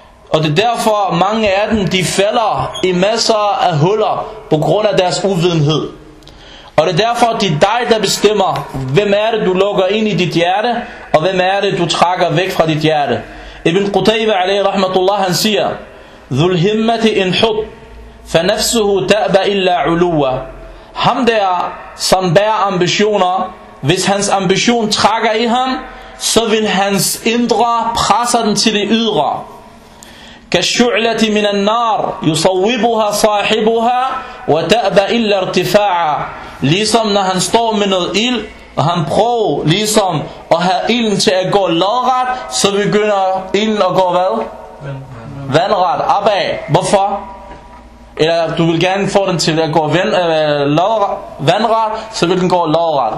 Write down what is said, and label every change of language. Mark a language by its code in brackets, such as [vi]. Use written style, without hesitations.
[da] Og det er derfor, mange af dem, de falder i masser af huller på grund af deres uvidenhed. Og det er derfor, det er dig, der bestemmer, hvem er det, du lukker ind i dit hjerte, og hvem er det, du trækker væk fra dit hjerte. Ibn Qutayba alayhi rahmatullah, han siger, [ar] ذو الهمة إن حط فنفسه تأبى إلا علوة. [da] Ham der, som bærer ambitioner, hvis hans ambition trækker i ham, så vil hans indre presse den til det ydre. [ar] كالشعلة من النار يصوبها صاحبها وتأبى إلا ارتفاعا. [da] Ligesom når han står med noget ild, og han prøver ligesom at have ilden til at gå lodret, så begynder ilden at gå hvad? Vandret, opad. Hvorfor? Eller du vil gerne få den til at gå vandret, så vil den gå lodret.